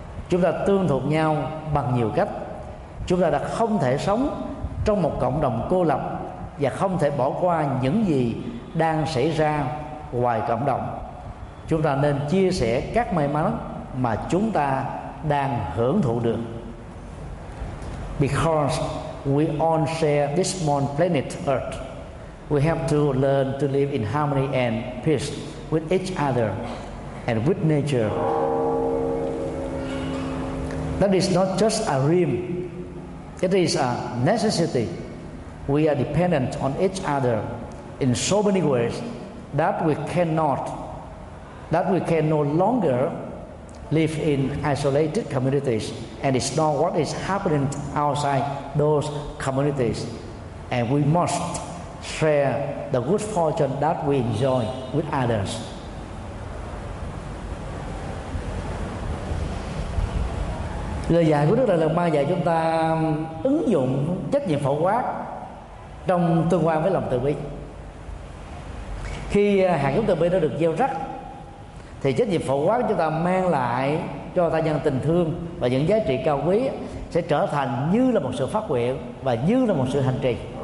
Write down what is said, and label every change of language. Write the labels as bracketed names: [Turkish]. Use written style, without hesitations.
[Vietnamese] Chúng ta tương thuộc nhau bằng nhiều cách. Chúng ta đã không thể sống trong một cộng đồng cô lập và không thể bỏ qua những gì đang xảy ra ngoài cộng đồng. Chúng ta nên chia sẻ các may mắn mà chúng ta đang hưởng thụ được. [English] Because we all share this one planet Earth, we have to learn to live in harmony and peace with each other and with nature. That is not just a dream. It is a necessity. We are dependent on each other in so many ways that we can no longer live in isolated communities, and it's not what is happening outside those communities. And we must share the good fortune that we enjoy with others. [Vietnamese] Lời dạy của Đức Đại Lạt Ma dạy chúng ta ứng dụng trách nhiệm phổ quát trong tương quan với lòng từ bi. Khi hạt giống từ bi nó được gieo rắc, thì trách nhiệm phổ quát chúng ta mang lại cho tha nhân tình thương và những giá trị cao quý sẽ trở thành như là một sự phát nguyện và như là một sự hành trì.